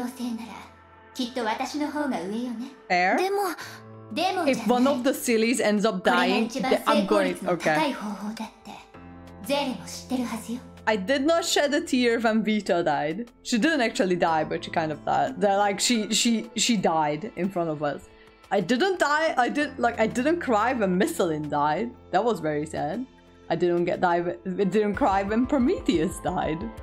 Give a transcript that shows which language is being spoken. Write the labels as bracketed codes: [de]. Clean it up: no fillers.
[ja] ミステルのやつ、私のことをイデアって言ったでしょ。崩壊エネルギー適応性ならきっと私の方が上よね。 [en] Air? [ja] でも、 [en] If one of the sillies ends up dying, I'm going, okay. [ja] これが一番成功率の高い方法だって、ゼレも知ってるはずよ。 [en] I did not shed a tear when Vito died. She didn't actually die, but she kind of died. They're like she died in front of us. I didn't cry when Missilin died. That was very sad. I didn't cry when Prometheus died.